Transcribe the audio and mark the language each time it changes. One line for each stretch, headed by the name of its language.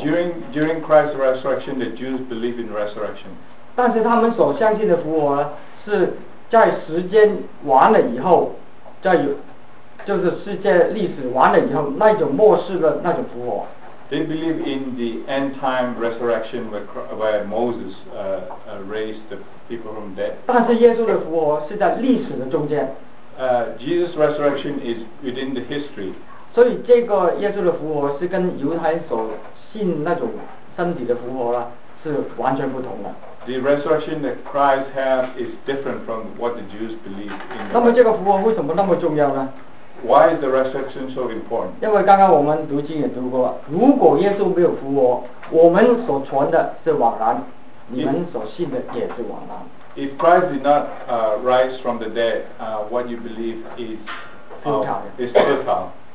English: During Christ's resurrection, the Jews believe in resurrection.
Chinese: 但是他们所相信的复活呢，是在时间完了以后在有就是世界历史完了以后那种末世的那种复活。
English: They believe in the end time resurrection where Moses raised the people from dead.
Chinese: 但是耶稣的复活是在历史的中间。
English: Jesus' resurrection is within the history.
Chinese: 所以这个耶稣的复活是跟犹太所信那种身体的复活是完全不同的。
English: The resurrection that Christ has is different from what the Jews believe in.
Chinese: 那么这个复活为什么那么重要呢？
English: Why is the resurrection so important?
Chinese: 因为刚刚我们读经也读过，如果耶稣没有复活，我们所传的是枉然，你们所信的也是枉然。
English: If Christ did not rise from the dead, what you believe is futile.